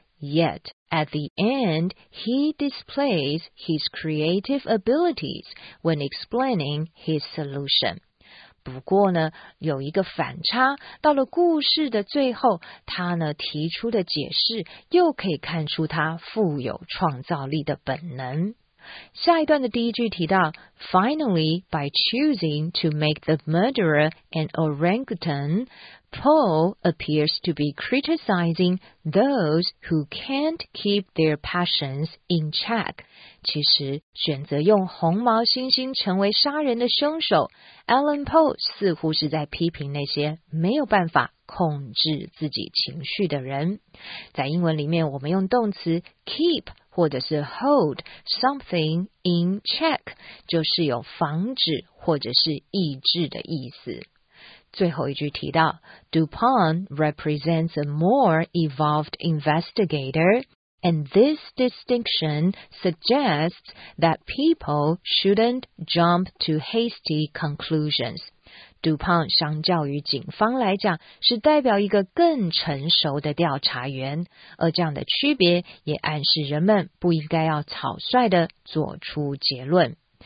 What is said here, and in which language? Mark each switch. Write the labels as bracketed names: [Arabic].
[English] Yet, at the end, he displays his creative abilities when explaining his solution. [Chinese] 不过呢，有一个反差，到了故事的最后，他呢提出的解释又可以看出他富有创造力的本能。下一段的第一句提到 [English] Finally, by choosing to make the murderer an orangutan, Poe appears to be criticizing those who can't keep their passions in check. [Chinese] 其实选择用红毛猩猩成为杀人的凶手 Allan Poe 似乎是在批评那些没有办法控制自己情绪的人。在英文里面我们用动词 keep或者是 [English] hold something in check， [Chinese] 就是有防止或者是抑制的意思。最后一句提到 [English] ，Dupont represents a more evolved investigator， and this distinction suggests that people shouldn't jump to hasty conclusions。 [Chinese] Dupont 相较于警方来讲，是代表一个更成熟的调查员，而这样的区别也暗示人们不应该要草率地做出结论。